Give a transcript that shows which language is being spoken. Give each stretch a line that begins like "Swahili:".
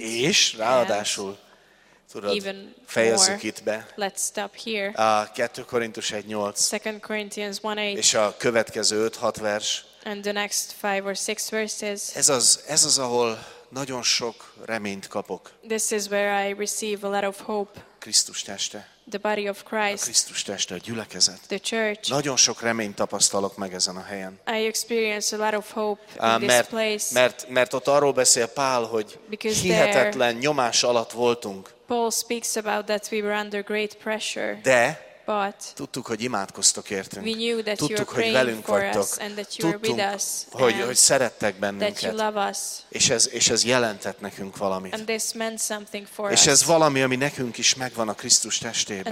Hungarian: és? Ráadásul. Tudod,
English: even
Hungarian: fejezzük
English: more.
Hungarian: Itt be.
English: Let's stop here.
Hungarian: A 2 Korintus 1:8.
English: 2 Corinthians 1:8.
Hungarian: És a következő 5-6 vers.
English: And the next 5 or 6 verses.
Hungarian: Ez az, ahol nagyon sok reményt kapok.
English: This is where I receive a lot of hope.
Hungarian: Krisztus teste.
English: The body of Christ.
Hungarian: A Krisztus teste, a gyülekezet.
English: The church.
Hungarian: Nagyon sok reményt tapasztalok meg ezen a helyen.
English: I experience a lot of hope in
Hungarian: mert,
English: this place.
Hungarian: Mert ott arról beszél Pál, hogy
English: because
Hungarian: hihetetlen
English: there,
Hungarian: nyomás alatt voltunk.
English: Paul speaks about that we were under great pressure.
Hungarian: De
English: but
Hungarian: tudtuk, hogy imádkoztok értünk.
English: We knew that
Hungarian: tudtuk,
English: you were praying for
Hungarian: vagytok.
English: Us and that you
Hungarian: tudtunk,
English: were with us.
Hungarian: Hogy szerettek bennünket.
English: That you love us.
Hungarian: És ez jelentett nekünk valamit.
English: And this meant something for
Hungarian: és
English: us.
Hungarian: Ez valami, ami nekünk is megvan a Krisztus testében.